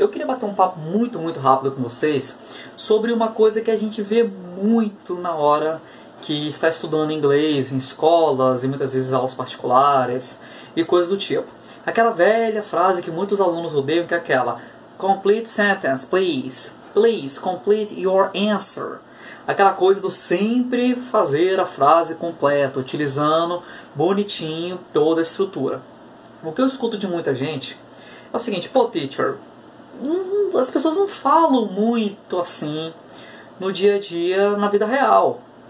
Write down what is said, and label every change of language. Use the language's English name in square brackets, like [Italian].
[Portuguese] Eu queria bater um papo muito rápido com vocês sobre uma coisa que a gente vê muito na hora que está estudando inglês em escolas e muitas vezes aulas particulares e coisas do tipo. Aquela velha frase que muitos alunos odeiam, que é aquela: [English] complete sentence, please. Please, complete your answer. [Portuguese] Aquela coisa do sempre fazer a frase completa, utilizando bonitinho toda a estrutura. O que eu escuto de muita gente é o seguinte: pô, teacher, as pessoas não falam muito assim no dia a dia, na vida real.